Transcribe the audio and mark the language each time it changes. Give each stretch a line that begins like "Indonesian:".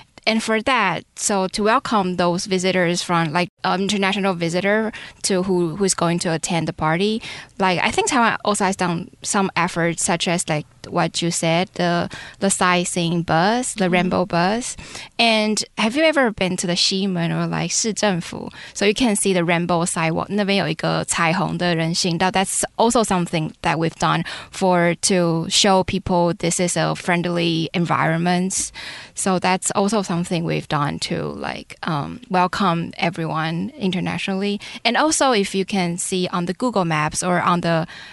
English: And for that, so to welcome those visitors from, like, international visitor to who's going to attend the party, like, I think Taiwan also has done some efforts, such as, like, what you said, the sightseeing bus, the rainbow bus. And have you ever been to the Ximen or, like, 市政府? So you can see the rainbow sidewalk.
Chinese: 那边有一个彩虹的人行道.
English: That's also something that we've done to show people this is a friendly environment. So that's also something we've done to, like, welcome everyone internationally. And also, if you can see on the Google Maps or on the